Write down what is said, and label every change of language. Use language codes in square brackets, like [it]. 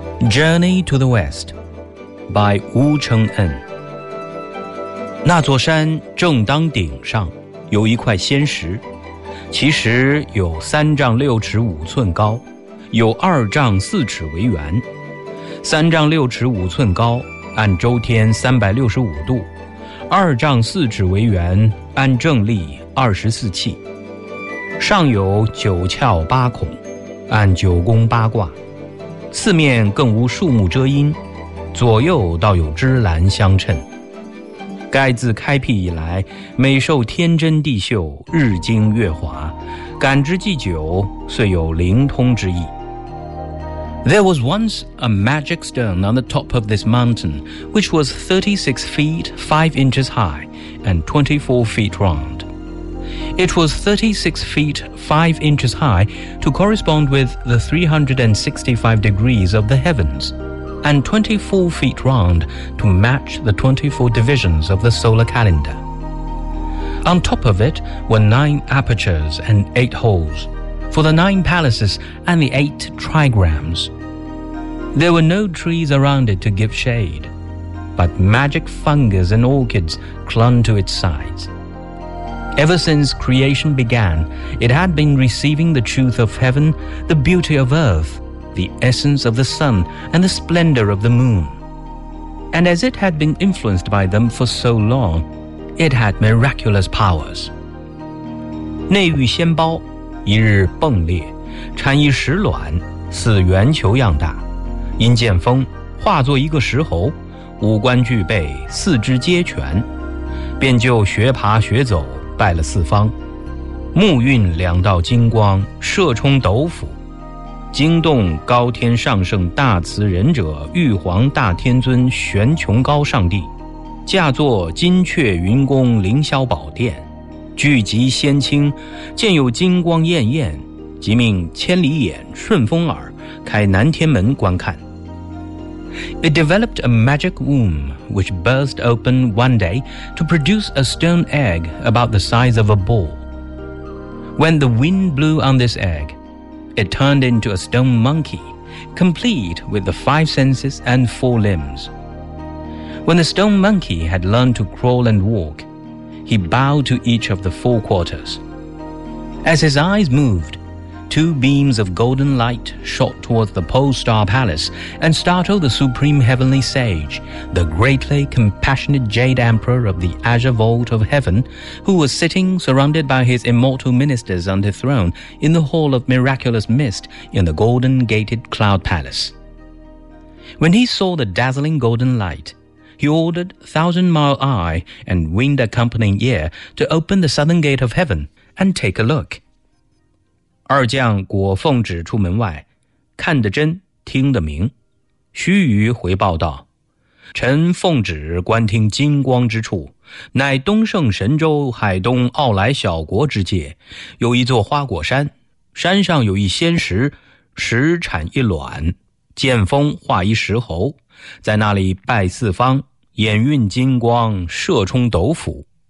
[en] Journey to the West by 吴承恩。 [zh] 那座山正当顶上有一块仙石，其实有3丈6尺5寸高，有2丈4尺为圆。 3丈6尺5寸高按周天365度，2丈4尺为圆按正历24气，上有9窍8孔按9宫8卦，四面更无树木遮阴，左右倒有芝兰相衬。该自开辟以来，每受天真地秀，日精月华，感之既久，遂有灵通之意。 [en] There was once a magic stone on the top of this mountain, which was 36 feet 5 inches high and 24 feet round. It was 36 feet 5 inches high to correspond with the 365 degrees of the heavens. And 24 feet round to match the 24 divisions of the solar calendar. On top of it were 9 apertures and 8 holes, for the 9 palaces and the 8 trigrams. There were no trees around it to give shade, but magic fungus and orchids clung to its sides. Ever since creation began, it had been receiving the truth of heaven, the beauty of earth,the essence of the sun and the splendor of the moon. And as it had been influenced by them for so long, it had miraculous powers. [zh] 内蕴仙胞一日迸裂，产一石卵，似圆球样大，因见风化作一个石猴，五官具备，四肢皆全，便就学爬学走，拜了四方，目运2道金光，射冲斗府，惊动高天上圣大慈仁者玉皇大天尊玄穹高上帝，驾坐金阙云宫凌霄宝殿，聚集仙卿，见有金光艳艳，即命千里眼顺风耳开南天门观看。 [en] It developed a magic womb which burst open one day to produce a stone egg about the size of a ball. When the wind blew on this eggIt turned into a stone monkey, complete with the 5 senses and 4 limbs. When the stone monkey had learned to crawl and walk, he bowed to each of the 4 quarters. As his eyes moved, 2 beams of golden light shot towards the Pole Star Palace and startled the supreme heavenly sage, the greatly compassionate jade emperor of the Azure Vault of Heaven, who was sitting surrounded by his immortal ministers on the throne in the Hall of Miraculous Mist in the Golden Gated Cloud Palace. When he saw the dazzling golden light, he ordered 1,000-mile eye and wind-accompanying ear to open the southern gate of heaven and take a look. [zh] 二将果奉旨出门外，看得真，听得明。须臾回报道：“臣奉旨观听金光之处，乃东胜神州海东奥莱小国之界，有一座花果山，山上有一仙石，石产一卵，见风化一石猴，在那里拜四方，眼运金光，射冲斗府。